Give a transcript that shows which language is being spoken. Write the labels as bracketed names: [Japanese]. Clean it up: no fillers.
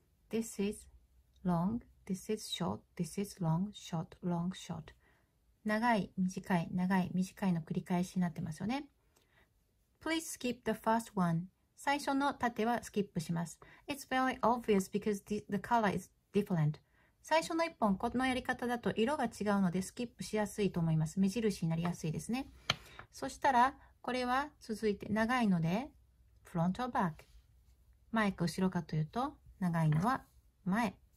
[English] This is long, this is short, this is long, short, long, short. [Japanese] 長い、短い、長い、短いの繰り返しになってますよね。 [English] Please skip the first one. [Japanese] 最初の縦はスキップします。 [English] It's very obvious because the color is different. [Japanese] 最初の一本、このやり方だと色が違うのでスキップしやすいと思います。目印になりやすいですね。そしたら、これは続いて長いので、 [English] front or back? [Japanese] 前か後ろかというと、長いのは前。